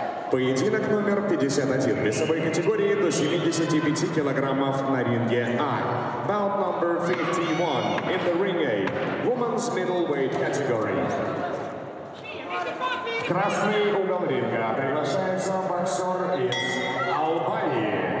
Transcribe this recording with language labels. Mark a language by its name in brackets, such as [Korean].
[Russian] Поединок номер 51 весовой категории до 75 килограммов на ринге А. [English] Bout number 51 in the ring A, women's middleweight category. [Russian] Красный угол ринга приглашается боксер из Албании.